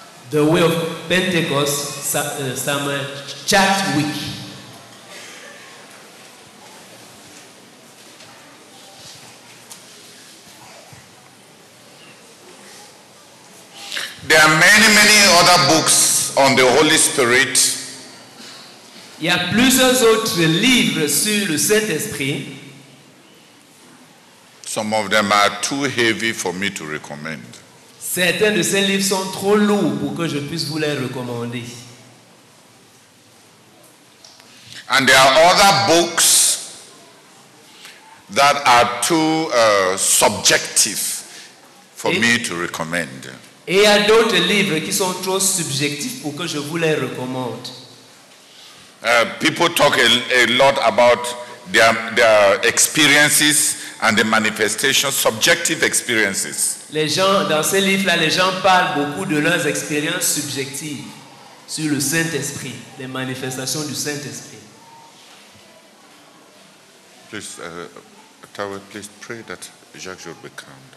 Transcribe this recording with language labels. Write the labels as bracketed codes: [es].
[en] The Way of Pentecost, Samuel Chadwick. There are many, many other books on the Holy Spirit. [fr] Il y a plusieurs autres livres sur le Saint-Esprit. [en] Some of them are too heavy for me to recommend. [fr] Certains de ces livres sont trop lourds pour que je puisse vous les recommander. [en] And there are other books that are too subjective for me to recommend. [fr] Et il y a d'autres livres qui sont trop subjectifs pour que je vous les recommande. [en] People talk a lot about their experiences and the manifestations, subjective experiences. [fr] Les gens, dans ces livres-là, les gens parlent beaucoup de leurs expériences subjectives sur le Saint-Esprit, les manifestations du Saint-Esprit. [en] Please, Tower, please pray that Jacques will be calmed.